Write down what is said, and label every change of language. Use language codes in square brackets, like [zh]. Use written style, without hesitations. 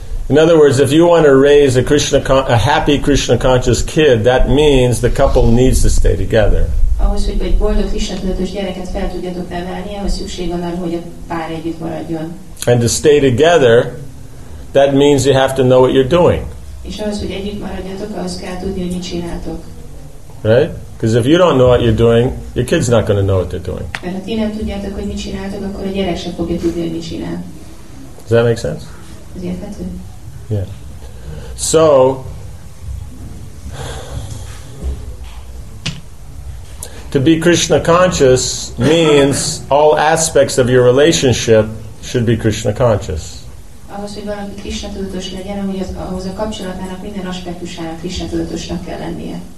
[en] In other words, if you want to raise a happy Krishna conscious kid, that means the couple needs to stay together. [hu] Ahhoz, hogy egy boldog, Krishna tudatos gyereket fel tudjatok nevelni, ahhoz szükség van arra, hogy a pár együtt maradjon. [en] And to stay together, that means you have to know what you're doing. [hu] És ahhoz, hogy együtt maradjatok, ahhoz kell tudni, hogy mit csináltok. [en] Right? Because if you don't know what you're doing, your kid's not going to know what they're doing. [hu] Mert ha ti nem tudjátok, hogy mit csináltok, akkor a gyerek sem fogja tudni, hogy mit csinál. [en] Does that make sense? [hu] Ez érthető? [en] Yeah. So, to be Krishna conscious means all aspects of your relationship should be Krishna conscious. [hu] Ahhoz, hogy valaki Krishna tudatos legyen, ahhoz a kapcsolatának minden aspektusának Krishna tudatosnak kell lennie.